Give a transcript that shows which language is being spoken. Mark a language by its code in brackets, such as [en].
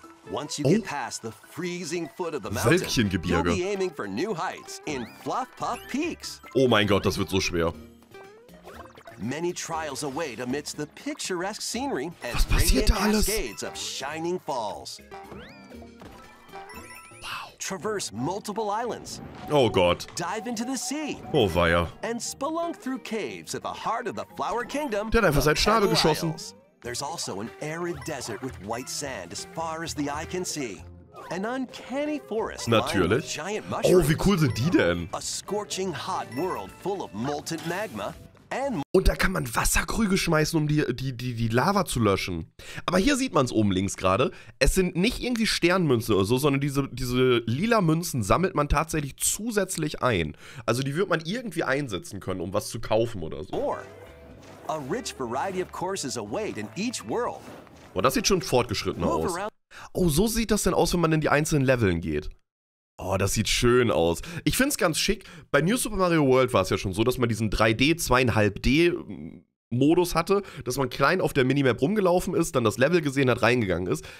[en] Once you get past the freezing foot of the mountain, you'll be aiming for new heights in Fluff Puff Peaks. [de] Oh mein Gott, das wird so schwer. [en] Many trials await amidst the picturesque scenery and radiant cascades of shining falls. Wow. Traverse multiple islands. [de] Oh Gott. [en] Dive into the sea. [de] Oh weia. [en] And spelunk through caves at the heart of the Flower Kingdom. [de] Der hat einfach seinen Schnabel geschossen. [en] There's also an arid desert with white sand as far as the eye can see. An uncanny forest [de] Natürlich. [en] Lined with giant mushrooms. [de] Oh, wie cool sind die denn? [en] A scorching hot world full of molten magma and [de] Und da kann man Wasserkrüge schmeißen, um die Lava zu löschen. Aber hier sieht man es oben links gerade. Es sind nicht irgendwie Sternmünzen oder so, sondern diese lila Münzen sammelt man tatsächlich zusätzlich ein. Also die wird man irgendwie einsetzen können, um was zu kaufen oder so. [en] Or A rich variety of courses await in each world. [de] Boah, das sieht schon fortgeschrittener aus. Oh, so sieht das denn aus, wenn man in die einzelnen Leveln geht. Oh, das sieht schön aus. Ich find's ganz schick. Bei New Super Mario World war es ja schon so, dass man diesen 3D, 2,5D-Modus hatte, dass man klein auf der Minimap rumgelaufen ist, dann das Level gesehen hat, reingegangen ist.